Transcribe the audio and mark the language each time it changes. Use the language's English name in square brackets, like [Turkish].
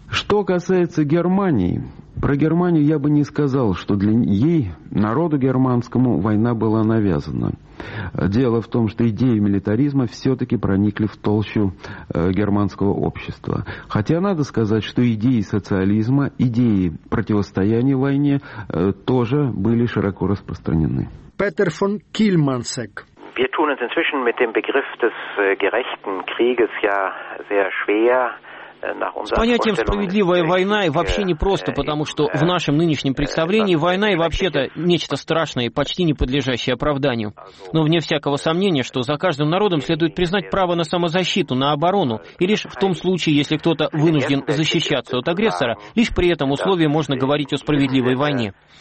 [Russian] Что касается Германии, про Германию я бы не сказал, что для ей, народу германскому, война была навязана. Дело в том, что идеи милитаризма все-таки проникли в толщу германского общества. Хотя надо сказать, что идеи социализма, идеи противостояния войне тоже были широко распространены. Петер фон Кильмансек. [German] Wir tun uns inzwischen mit dem Begriff des gerechten Krieges ja sehr schwer. [Russian] С понятием «справедливая война» вообще непросто, потому что в нашем нынешнем представлении война и вообще-то нечто страшное, почти не подлежащее оправданию. Но вне всякого сомнения, что за каждым народом следует признать право на самозащиту, на оборону, и лишь в том случае, если кто-то вынужден защищаться от агрессора, лишь при этом условии можно говорить о справедливой войне.